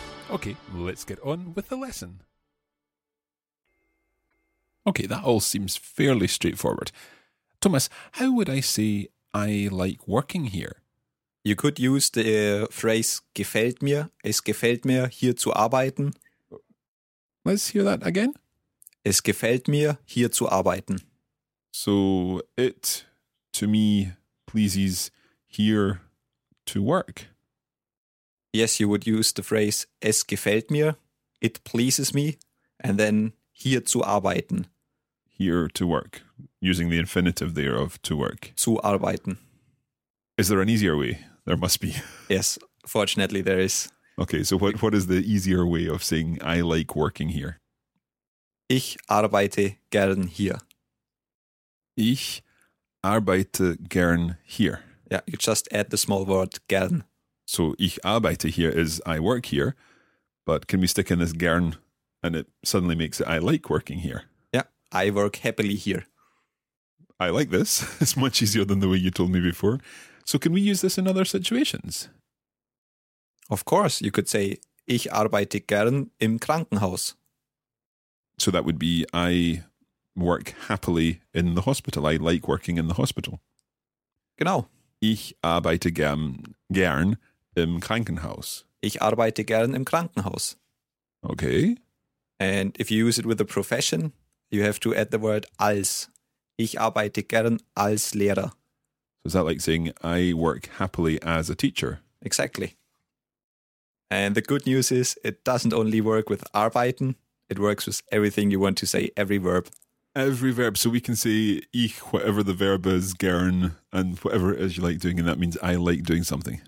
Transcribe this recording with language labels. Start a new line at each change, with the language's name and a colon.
English: Okay, let's get on with the lesson. Okay, that all seems fairly straightforward. Thomas, how would I say I like working here? You could use the phrase
German: gefällt mir, es gefällt mir hier zu arbeiten.
English: Let's hear that again.
German: Es gefällt mir hier zu arbeiten.
English: So it, to me, pleases here to work. Yes, you would use the phrase
German: es gefällt mir,
English: it pleases me, and then
German: hier zu arbeiten.
English: Here to work, using the infinitive there of to work.
German: Zu arbeiten.
English: Is there an easier way? There must be. Yes, fortunately there is. Okay, so what is the easier way of saying I like working here?
German: Ich arbeite gern hier. Ich arbeite gern hier.
English: Yeah, you just add the small word gern. So
German: ich arbeite hier
English: is I work here, but can we stick in this gern and it suddenly makes it I like working here? I work happily here. I like this. It's much easier than the way you told me before. So can we use this in other situations? Of course. You could say,
German: ich arbeite gern im Krankenhaus.
English: So that would be, I work happily in the hospital. I like working in the hospital.
German: Genau. Ich arbeite gern im Krankenhaus. Ich arbeite gern im Krankenhaus. Okay.
English: And if you use it with a profession, you have to add the word als.
German: Ich arbeite gern als Lehrer.
English: So is that like saying I work happily as a teacher? Exactly. And the good news is it doesn't only work with arbeiten. It works with everything you want to say, every verb. Every verb. So we can say ich, whatever the verb is, gern, and whatever it is you like doing. And that means I like doing something.